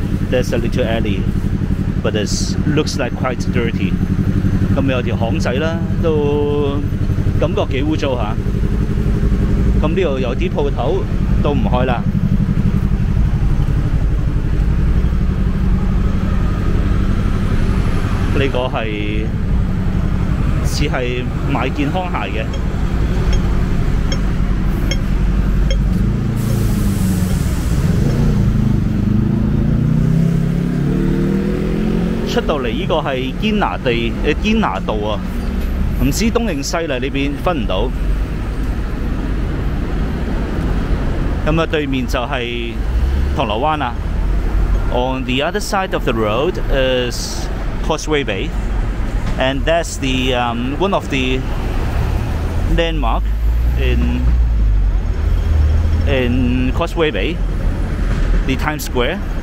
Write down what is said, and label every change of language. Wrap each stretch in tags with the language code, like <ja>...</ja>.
<en>There's a little alley, but it looks like quite dirty.</en> <yue>咁有條巷仔啦，都感覺幾污糟嚇。咁呢度有啲鋪頭都唔開啦。呢個係似係賣健康鞋嘅。出到嚟依個係堅拿地堅拿道啊，唔知道東定西啦，呢邊分唔到。咁啊，對面就係銅鑼灣啦。</yue> <en>On the other side of the road is Causeway Bay, and that's the one of the landmark in Causeway Bay, the Times Square.</en>